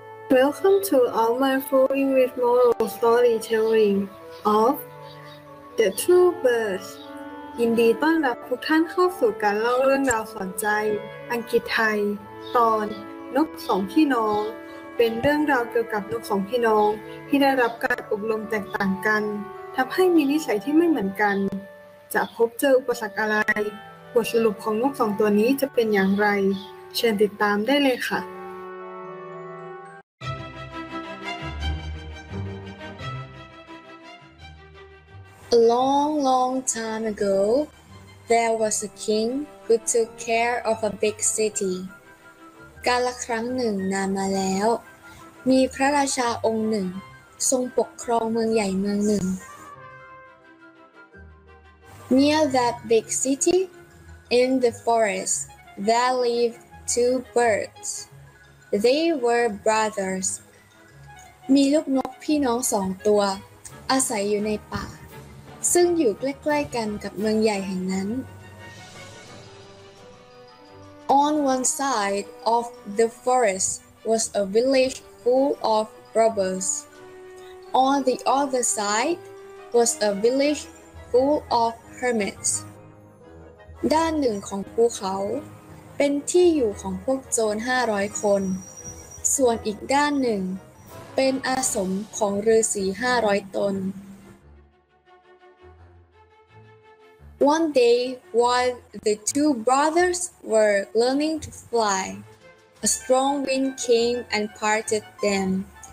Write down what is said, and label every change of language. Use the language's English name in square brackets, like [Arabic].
[English] Welcome to online flowing with moral storytelling of the two birds. [Thai] ยินดีต้อนรับทุกท่านเข้าสู่การเล่าเรื่องราวสนใจอังกฤษไทยตอนนกสองพี่น้องเป็นเรื่องราวเกี่ยวกับนกสองพี่น้องที่ได้รับการอบรมแตกต่างกันทำให้มีนิสัยที่ไม่เหมือนกันจะพบเจออุปสรรคอะไรบทสรุปของนกสองตัวนี้จะเป็นอย่างไรเชิญติดตามได้เลยค่ะ [English] A long, long time ago, there was a king who took care of a big city. [Thai] กาลครั้งหนึ่งนานมาแล้วมีพระราชาองค์หนึ่งทรงปกครองเมืองใหญ่เมืองหนึ่ง [English] Near that big city, in the forest, there lived two birds. They were brothers. [Thai] มีลูกนกพี่น้องสองตัวอาศัยอยู่ในป่าซึ่งอยู่ใกล้ๆกันกับเมืองใหญ่แห่งนั้น [English] On one side of the forest was a village full of robbers. On the other side was a village full of hermits. [Thai] ด้านหนึ่งของภูเขาเป็นที่อยู่ของพวกโจร500คนส่วนอีกด้านหนึ่งเป็นอาสมของฤาษี500ตน [English] One day, while the two brothers were learning to fly, a strong wind came and parted them.